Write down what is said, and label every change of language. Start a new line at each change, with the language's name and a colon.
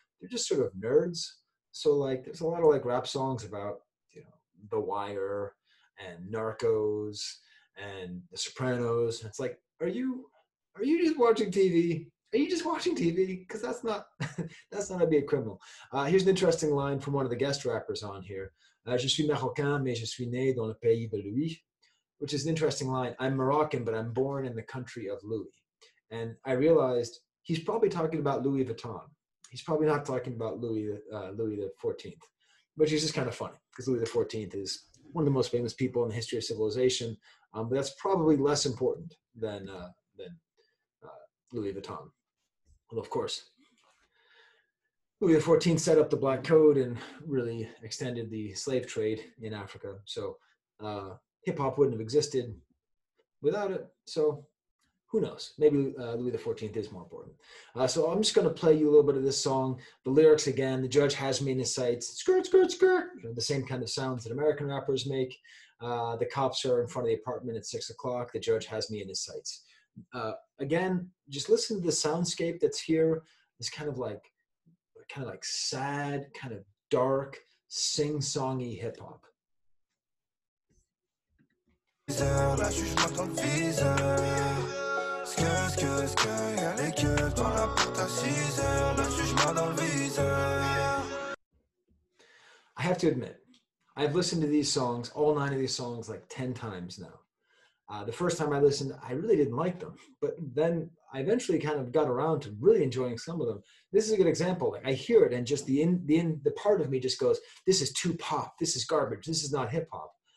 English: They're just sort of nerds. So like there's a lot of like rap songs about, you know, The Wire and Narcos and The Sopranos. It's like, are you just watching TV? Are you just watching TV? Because that's not that's not how to be a criminal. Here's an interesting line from one of the guest rappers on here.
French: Je suis Marocain, mais je suis né dans le pays de Louis.
English: Which is an interesting line. I'm Moroccan, but I'm born in the country of Louis. And I realized he's probably talking about Louis Vuitton. He's probably not talking about Louis the 14th, which is just kind of funny because Louis the 14th is one of the most famous people in the history of civilization. But that's probably less important than Louis Vuitton. Well, of course, Louis the 14th set up the Black Code and really extended the slave trade in Africa. So, hip hop wouldn't have existed without it. So who knows? Maybe Louis the 14th is more important. So I'm just going to play you a little bit of this song. The lyrics again, the judge has me in his sights. Skirt, skirt, skirt. You know, the same kind of sounds that American rappers make. The cops are in front of the apartment at 6 o'clock. The judge has me in his sights. Again, just listen to the soundscape that's here. It's kind of like sad, kind of dark, sing-songy hip hop.
French: Là je suis pas dans le viseur. Ce que y'a les queues dans la porte à 6 heures. Là je suis pas dans le viseur.
English: I have to admit, I've listened to these songs, all 9 of these songs, like 10 times now. The first time I listened, I really didn't like them. But then I eventually kind of got around to really enjoying some of them. This is a good example. Like I hear it and just the part of me just goes, this is too pop. This is garbage. This is not hip hop.